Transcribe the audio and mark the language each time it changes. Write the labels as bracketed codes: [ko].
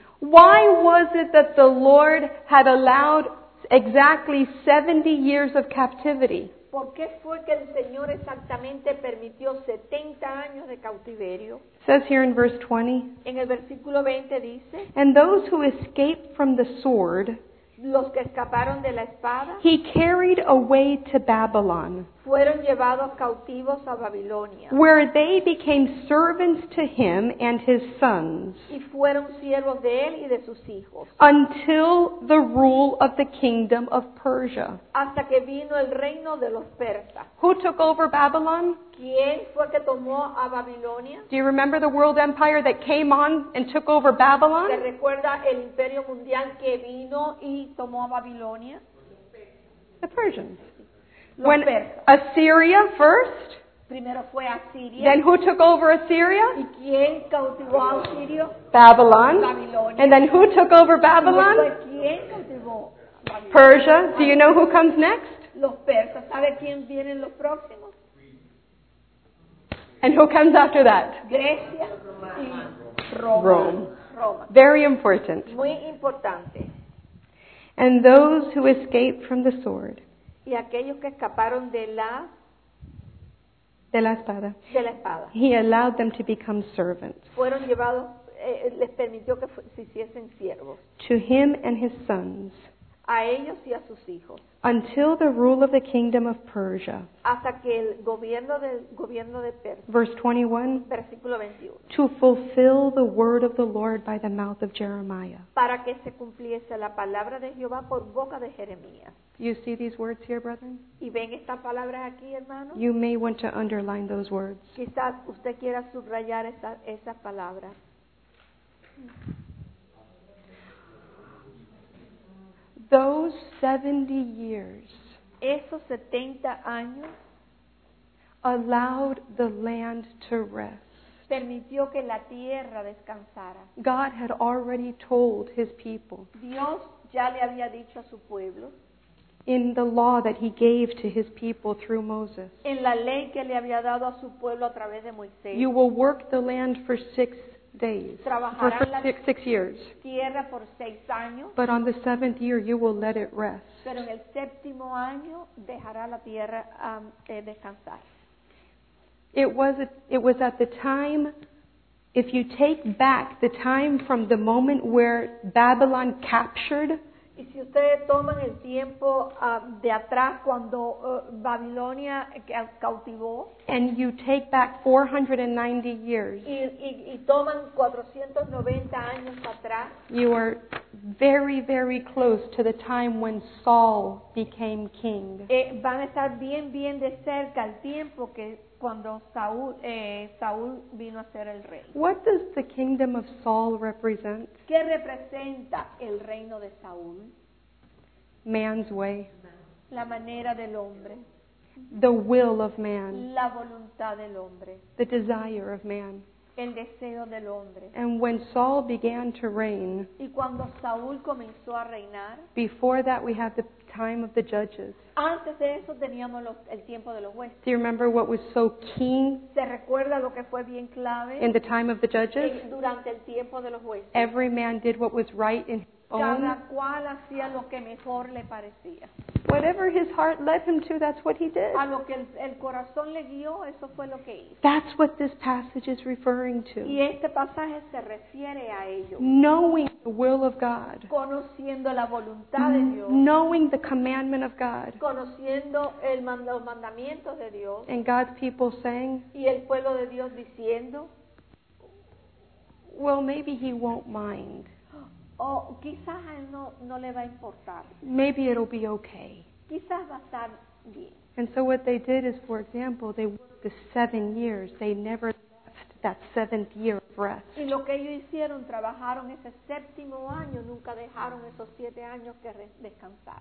[en] Why was it that the Lord had allowed exactly 70 years of captivity? [es] ¿Por qué fue que el Señor exactamente permitió 70 años de cautiverio? [en] It says here in verse 20. [es] En el versículo 20 dice. [en] And those who escaped from the sword, [es] los que escaparon de la espada, [en] he carried away to Babylon, [es] fueron llevados cautivos a Babilonia, [en] where they became servants to him and his sons, [es] y fueron siervos de él y de sus hijos, [en] until the rule of the kingdom of Persia, [es] hasta que vino el reino de los persas. [en] Who took over Babylon? [es] ¿Quién fue que tomó a Babilonia? [en] Do you remember the world empire that came on and took over Babylon? [es] ¿Se recuerda el imperio mundial que vino y tomó a Babilonia? [en] The Persians. When Assyria first, [es] primero fue Assyria. [en] Then who took over Assyria? [es] ¿Y quién cautivó a Assyria? [en] Babylon. And then who took over Babylon? [es] ¿Quién cautivó Babilonia? [en] Persia. Do you know who comes next? [es] Los persas. ¿Sabe quién vienen los próximos? [en] And who comes after that? [es] Grecia y [en] Rome. [es] Roma. [en] Very important. [es] Muy importante. [en] And those who escaped from the sword, [es] y aquellos que escaparon de la espada. [en] He allowed them to become servants. [es] Fueron llevados, les permitió que se hiciesen siervos. [en] To him and his sons. [es] A ellos y a sus hijos. [en] Until the rule of the kingdom of Persia. [es] Hasta que el gobierno de Persia. [en] Verse 21. [es] Versículo 21. [en] To fulfill the word of the Lord by the mouth of Jeremiah. [es] Para que se cumpliese la palabra de Jehová por boca de Jeremías. [en] You see these words here, brethren? [es] ¿Y ven estas palabras aquí, hermanos? [en] You may want to underline those words. [es] Quizás usted quiera subrayar esas palabras. [en] Those 70 years, [es] esos 70 años, [en] allowed the land to rest. [es] Permitió que la tierra descansara. [en] God had already told his people. [es] Dios ya le había dicho a su pueblo. [en] In the law that he gave to his people through Moses. [es] En la ley que le había dado a su pueblo a través de Moisés. [en] You will work the land for 6 days. [es] Trabajarán [en] for six years. [es] Tierra por 6 años. [en] But on the seventh year you will let it rest. [es] Pero en el séptimo año dejará la tierra descansar. [en] It was at the time, if you take back the time from the moment where Babylon captured [es] Y si ustedes toman el tiempo de atrás cuando Babilonia cautivó, [en] and you take back 490 years, [es] y toman 490 años atrás, [en] you are very, very close to the time when Saul became king. [es] Van a estar bien, bien de cerca al tiempo que cuando Saúl vino a ser el rey. [en] What does the kingdom of Saul represent? [es] ¿Qué representa el reino de Saúl? [en] Man's way. [es] La manera del hombre. [en] The will of man. [es] La voluntad del hombre. [en] The desire of man. [es] El deseo del hombre. [en] And when Saul began to reign, [es] y cuando Saúl comenzó a reinar, [en] before that we had the time of the judges. [es] Antes de eso teníamos el tiempo de los jueces. [en] Do you remember what was so key? [es] ¿Se recuerda lo que fue bien clave? [en] In the time of the judges, [es] durante el tiempo de los jueces, [en] every man did what was right in his own. [es] Cada cual hacía lo que mejor le parecía. [en] Whatever his heart led him to, that's what he did. [es] A lo que el corazón le guió, eso fue lo que hizo. [en] That's what this passage is referring to. [es] Y este pasaje se refiere a ello. [en] Knowing the will of God. [es] Conociendo la voluntad de Dios. [en] Knowing the commandment of God. [es] Conociendo los mandamientos de Dios. [en] And God's people saying. [es] Y el pueblo de Dios diciendo. [en] Well, maybe he won't mind. [es] O quizás a él no le va a importar. [en] Maybe it'll be okay. [es] Quizás va a estar bien. [en] And so what they did is, for example, they worked the 7 years. They never left that seventh year of rest. [es] Y lo que ellos hicieron, trabajaron ese séptimo año, nunca dejaron esos 7 años que descansar.